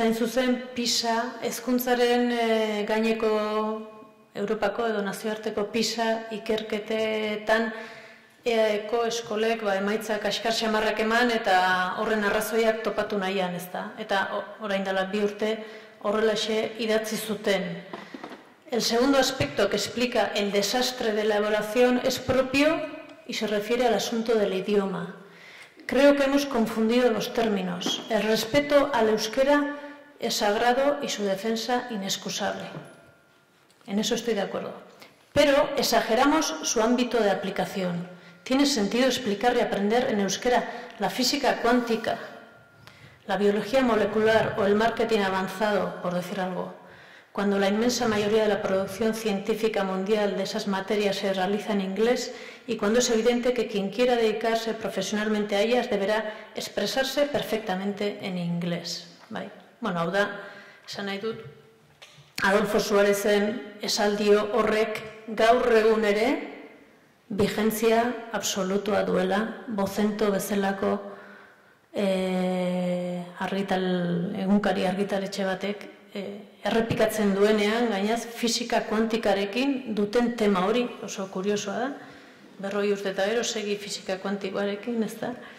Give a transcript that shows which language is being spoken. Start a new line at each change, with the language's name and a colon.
Basque: Hain zuzen PISA, hezkuntzaren gaineko Europako edo nazioarteko PISA ikerketetan EAEko eskolek ba, emaitzak askar xamarrak eman eta horren arrazoiak topatu nahian, ez da? Eta orain dela bi urte horrelaxe idatzi zuten.
Spanish: El segundo aspecto que explica el desastre de la evaluación es propio y se refiere al asunto del idioma. Creo que hemos confundido los términos. El respeto al euskera es sagrado y su defensa inexcusable. En eso estoy de acuerdo. Pero exageramos su ámbito de aplicación. ¿Tiene sentido explicar y aprender en euskera la física cuántica, la biología molecular o el marketing avanzado, por decir algo, cuando la inmensa mayoría de la producción científica mundial de esas materias se realiza en inglés y cuando es evidente que quien quiera dedicarse profesionalmente a ellas deberá expresarse perfectamente en inglés?
Basque: Bai. Bueno, hau da, esan nahi dut, Adolfo Suárezen esaldio horrek gaur egun ere vigentzia absolutua duela, bozento bezalako egunkari argitaletxe batek errepikatzen duenean, gainaz, fisika kuantikarekin duten tema hori, oso kuriosoa da, 40 urte eta gero segi fisika kuantikoarekin, ez da.